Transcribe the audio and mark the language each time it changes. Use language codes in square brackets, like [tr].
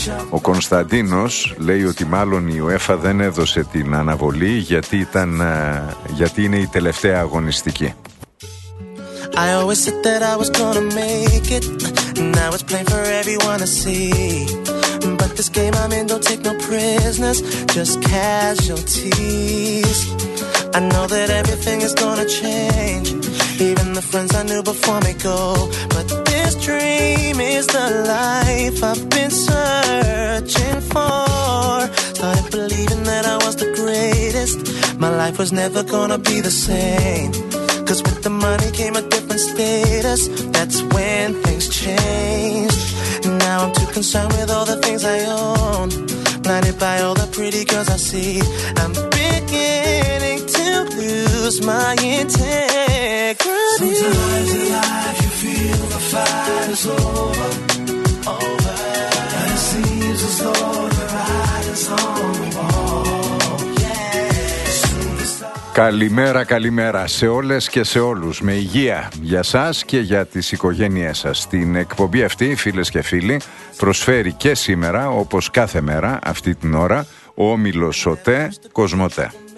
[el] Ο Κωνσταντίνος λέει ότι μάλλον η UEFA δεν έδωσε την αναβολή γιατί ήταν, γιατί είναι η τελευταία αγωνιστική. [en] I always said that I was gonna make it, and I was playing for everyone to see. But this game I'm in don't take no prisoners, just casualties. I know that everything is gonna change, even the friends I knew before me go. But this dream is the life I've been searching for. Started believing that I was the greatest, my life was never gonna be the same. Cause with the money came a different status, that's when things changed. Now I'm too concerned with all the things I own, blinded by all the pretty girls I see. I'm beginning to lose my integrity. Sometimes in life you feel the fight is over. And it seems as though the ride is on the wall. [el] Καλημέρα, καλημέρα σε όλες και σε όλους. Με υγεία για σας και για τις οικογένειές σας. Την εκπομπή αυτή, φίλες και φίλοι, προσφέρει και σήμερα, όπως κάθε μέρα, αυτή την ώρα, ο Όμιλος ΟΤΕ Κοσμοτέ.